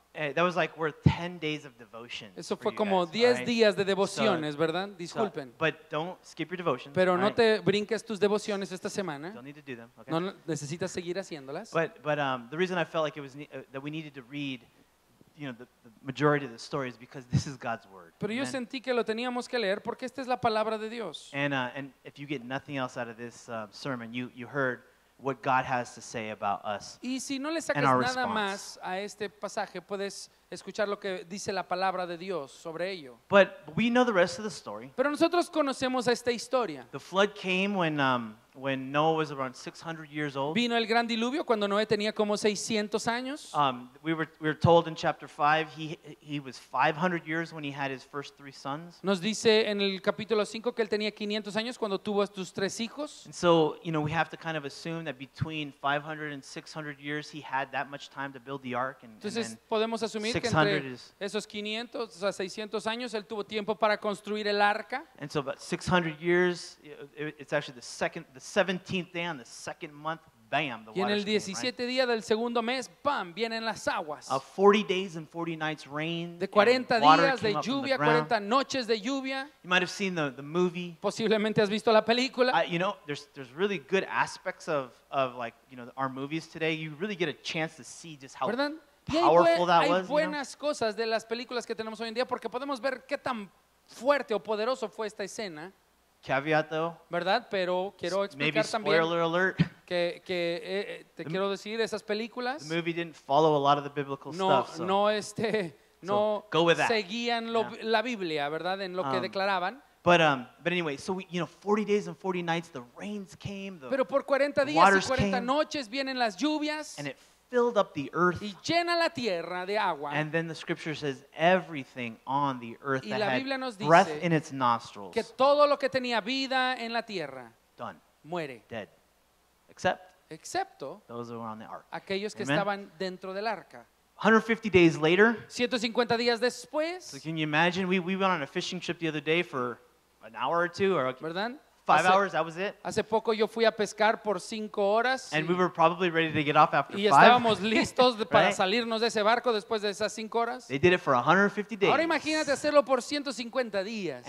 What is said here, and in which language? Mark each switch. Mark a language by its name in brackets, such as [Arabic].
[English] That was like worth 10 days of devotion. [Spanish] Eso fue como 10 días de devociones, ¿verdad? Disculpen. [English] But don't skip your devotions. [Spanish] Pero no te brinques tus devociones esta semana. [English] Don't need to do them. Okay. [Spanish] No necesitas seguir haciéndolas. [English] But the reason I felt like it was that we needed to read, you know, the majority of the story is because this is God's word. [Spanish] Pero yo sentí que lo teníamos que leer porque esta es la palabra de Dios. [English] And if you get nothing else out of this sermon, you heard what God has to say about us. [Spanish] Y si no le sacas nada más a este pasaje, puedes escuchar lo que dice la palabra de Dios sobre ello. [English] But we know the rest of the story. [Spanish] Pero nosotros conocemos esta historia. [English] The flood came when Noah was around 600 years old. [Spanish] Vino el gran diluvio cuando Noé tenía como 600 años. [English] We were told in chapter 5 he was 500 years when he had his first three sons. [Spanish] Nos dice en el capítulo 5 que él tenía 500 años cuando tuvo sus tres hijos. [English] And so, you know, we have to kind of assume that between 500 and 600 years he had that much time to build the ark, and [Spanish] entonces podemos asumir que entre esos 500, o sea, 600 años él tuvo tiempo para construir el arca. [English] And so about 600 years it's actually the 17th day on the second month, bam, the water. [Spanish] Y en el 17 día del segundo mes, bam, vienen las aguas. [English] 40 days and 40 nights rain. [Spanish] De 40 días de lluvia, 40 noches de lluvia. [English] You might have seen the movie. [Spanish] Posiblemente has visto la película. [English] You know, there's really good aspects of like, you know, our movies today. You really get a chance to see just how powerful that was. [Spanish] Hay buenas cosas de las películas que tenemos hoy en día porque podemos ver qué tan fuerte o poderoso fue esta escena. [English] Caveat though, [Spanish] ¿verdad? Pero quiero explicar [English] maybe spoiler [Spanish] también [English] alert. [Spanish] Que quiero decir, esas películas, [English] the movie didn't follow a lot of the biblical stuff, so. [Spanish] No [English] so, go with that. [Spanish] Seguían la Biblia, ¿verdad? En lo que declaraban. [English] But anyway, so we, you know, 40 days and 40 nights, the rains came. [Spanish] Pero por 40 días y 40 noches vienen las lluvias. [English] And it filled up the earth. [Spanish] Y llena la tierra de agua. [English] And then the scripture says everything on the earth [Spanish] y [English] that [Spanish] la [English] had breath in its nostrils. [Spanish] Que todo lo que tenía vida en la tierra. [English] Done. [Spanish] Muere. [English] Dead. Except. [Spanish] Excepto. [English] Those who were on the ark. [Spanish] Aquellos que estaban dentro del arca. [English] 150 days later. [Spanish] 150 días después. [English] So can you imagine? We went on a fishing trip the other day for an hour or two. [Spanish] ¿Verdad? [English] Five hours, that was it. [Spanish] Hace poco yo fui a pescar por 5 horas. [English] And we were probably ready to get off after 5. [Spanish] Y estábamos listos para salirnos de ese barco después de esas 5 horas. [English] They did it for 150 days. [Spanish] Ahora imagínate hacerlo por 150 días.